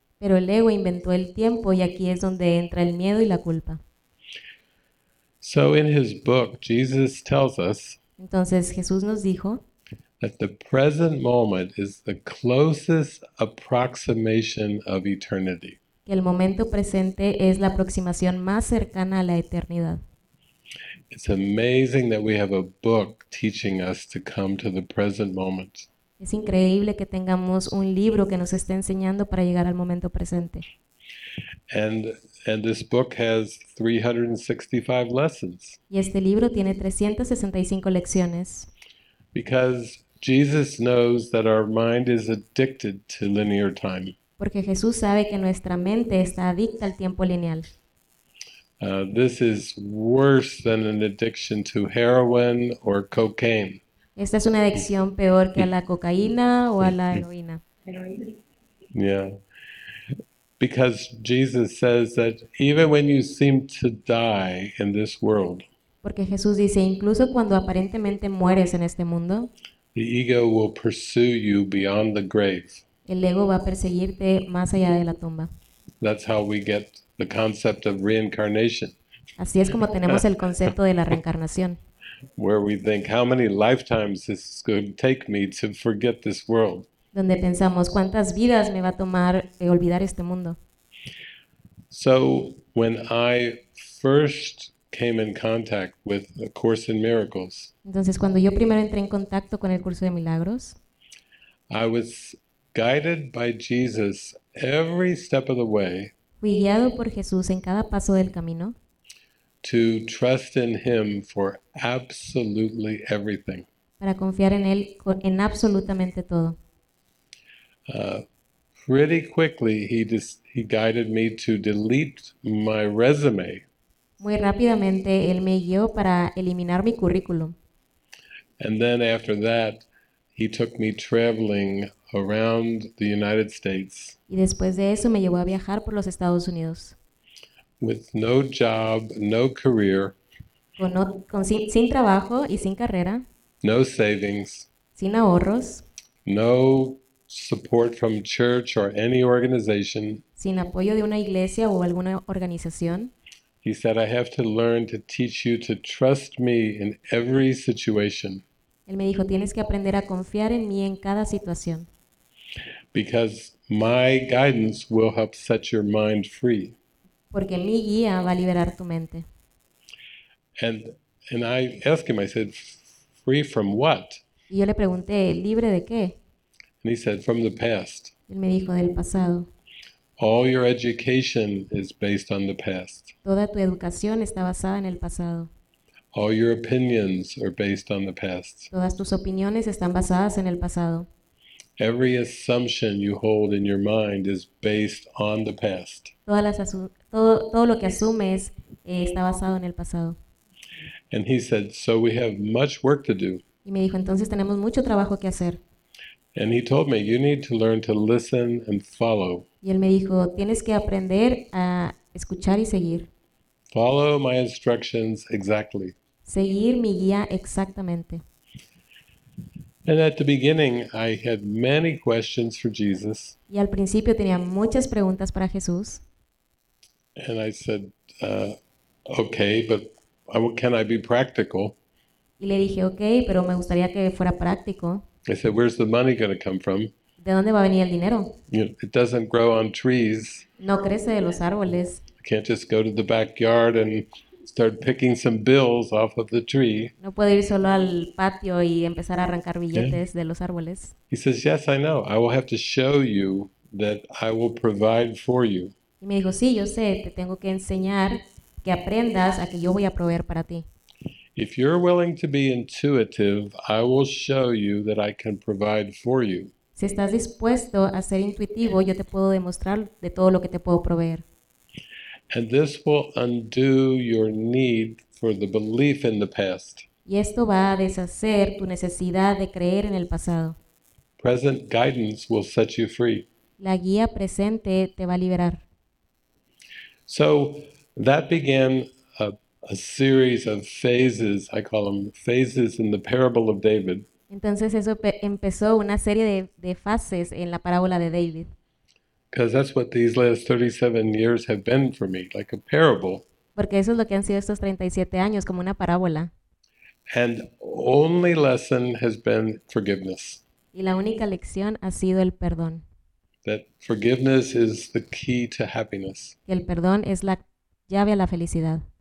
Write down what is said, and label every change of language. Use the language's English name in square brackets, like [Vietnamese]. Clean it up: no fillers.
[Spanish] Pero el ego inventó el tiempo y aquí es donde entra el miedo y la culpa. [English] So in his book, Jesus tells us [Spanish] Entonces Jesús nos dijo, [English] that the present moment is the closest approximation of eternity. [Spanish] que el momento presente es la aproximación más cercana a la eternidad. [English] It's amazing that we have a book teaching us to come to the present moment. [Spanish] Es increíble que tengamos un libro que nos esté enseñando para llegar al momento presente. [English] And this book has 365 lessons. [Spanish] Y este libro tiene 365 lecciones. [English] Because Jesus knows that our mind is addicted to linear time. [Spanish] Porque Jesús sabe que nuestra mente está adicta al tiempo lineal. [English] This is worse than an addiction to heroin or cocaine. [Spanish] Esta es una adicción peor que a la cocaína o a la heroína. [English] Yeah. Because Jesus says that even when you seem to die in this world, [Spanish] Porque Jesús dice, incluso cuando aparentemente mueres en este mundo, [English] the ego will pursue you beyond the grave. [Spanish] el ego va a perseguirte más allá de la tumba. [English] That's how we get the concept of reincarnation. [Spanish] Así es como tenemos el concepto de la reencarnación. [English] Where we think, how many lifetimes is going to take me to forget this world? [Spanish] Donde pensamos, ¿cuántas vidas me va a tomar olvidar este mundo? [English] So, when I first came in contact with A Course in Miracles, [Spanish] Entonces, cuando yo primero entré en contacto con el curso de milagros, [English] I was guided by Jesus every step of the way [Spanish] fui guiado por Jesús en cada paso del camino [English] to trust in him for absolutely everything. [Spanish] para confiar en él en absolutamente todo. [English] Pretty quickly he guided me to delete my resume. [Spanish] Muy rápidamente él me guió para eliminar mi currículum. [English] And then after that he took me traveling around the United States [Spanish] Y después de eso me llevó a viajar por los Estados Unidos. [English] with no job, no career, [Spanish] Sin trabajo y sin carrera, [English] no savings, [Spanish] sin ahorros, [English] no support from church or any organization. [Spanish] sin apoyo de una iglesia o alguna organización. [English] He said, "I have to learn to teach you to trust me in every situation." [Spanish] Él me dijo, tienes que aprender a confiar en mí en cada situación. [English] Because my guidance will help set your mind free. [Spanish] Porque mi guía va a liberar tu mente. [English] And I asked him, I said, "For Free from what? [Spanish] Y yo le pregunté, ¿libre de qué? [English] And he said, from the past. [Spanish] Él me dijo, del pasado. [English] All your education is based on the past. [Spanish] Toda tu educación está basada en el pasado. [English] All your opinions are based on the past. [Spanish] Todas tus opiniones están basadas en el pasado. [English] Every assumption you hold in your mind is based on the past. [Spanish] Todo lo que asumes está basado en el pasado. [English] And he said, so we have much work to do. [Spanish] Y me dijo, entonces tenemos mucho trabajo que hacer. [English] And he told me, you need to learn to listen and follow. [Spanish] Y él me dijo, tienes que aprender a escuchar y seguir. [English] Follow my instructions exactly. [Spanish] Seguir mi guía exactamente. [English] And at the beginning, I had many questions for Jesus. [Spanish] Y al principio tenía muchas preguntas para Jesús. [English] And I said, okay, but can I be practical? [Spanish] Y le dije, ok, pero me gustaría que fuera práctico. [English] I said, where's the money going to come from? [Spanish] ¿De dónde va a venir el dinero? [English] It doesn't grow on trees. [Spanish] No crece de los árboles. [English] I can't just go to the backyard and start picking some bills off of the tree. [Spanish] No puedo ir solo al patio y empezar a arrancar billetes de los árboles. [English] He says, yes, I know. I will have to show you that I will provide for you. [Spanish] Y me dijo, sí, yo sé, te tengo que enseñar que aprendas a que yo voy a proveer para ti. [English] If you're willing to be intuitive, I will show you that I can provide for you. [Spanish] Si estás dispuesto a ser intuitivo, yo te puedo demostrar de todo lo que te puedo proveer. [English] And this will undo your need for the belief in the past. [Spanish] Y esto va a deshacer tu necesidad de creer en el pasado. [English] Present guidance will set you free. [Spanish] La guía presente te va a liberar. [English] So that began a series of phases, I call them phases in the parable of David. [Spanish] Entonces eso empezó una serie de fases en la parábola de David. [English] Because that's what these last 37 years have been for me, like a parable. [Spanish] Porque eso es lo que han sido estos 37 años, como una parábola. [English] And only lesson has been forgiveness. [Spanish] Y la única lección ha sido el perdón. [English] That forgiveness is the key to happiness. [Spanish] Que el perdón es la llave a la felicidad.